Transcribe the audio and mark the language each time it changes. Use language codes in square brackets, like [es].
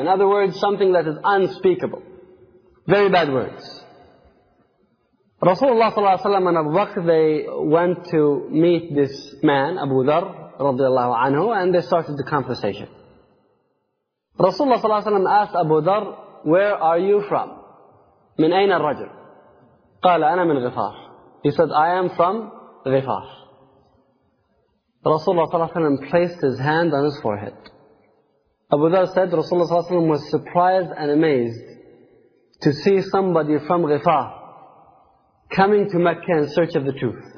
[en] In other words, something that is unspeakable. Very bad words. Rasulullah sallallahu alayhi wa sallam and Abu Bakr, they went to meet this man, Abu Dharr radiallahu anhu, and they started the conversation. Rasulullah sallallahu alayhi wa sallam asked Abu Dharr, where are you from? [ar] من أين الرجل؟ قال أنا من غفار. [en] He said, I am from غفار. Rasulullah sallallahu alayhi wa sallam placed his hand on his forehead. Abu Dharr said, Rasulullah sallallahu alayhi wa sallam was surprised and amazed to see somebody from غفار coming to Mecca in search of the truth.